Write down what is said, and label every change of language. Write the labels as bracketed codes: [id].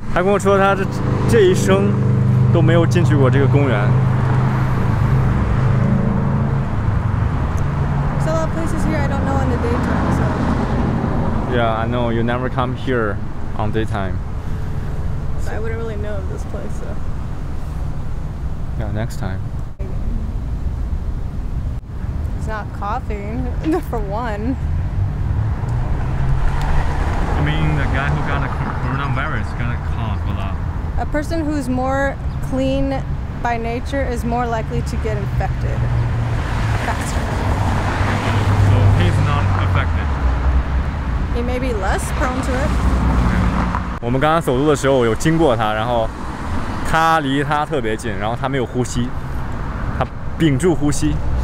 [zh] 他跟我说他这一生都没有进去过这个公园。 [en] So a lot of places here I don't know in the daytime. So. Yeah, I know you never come here on daytime. So I wouldn't really know of this place, so. Yeah, next time. It's not coffee, for one. I mean, the guy who got the coronavirus got a cough a lot. A person who's more clean by nature is more likely to get infected faster. So he's not affected. He may be less prone to it. [zh] 我们刚刚走路的时候，我有经过他，然后他离他特别近，然后他没有呼吸，他屏住呼吸。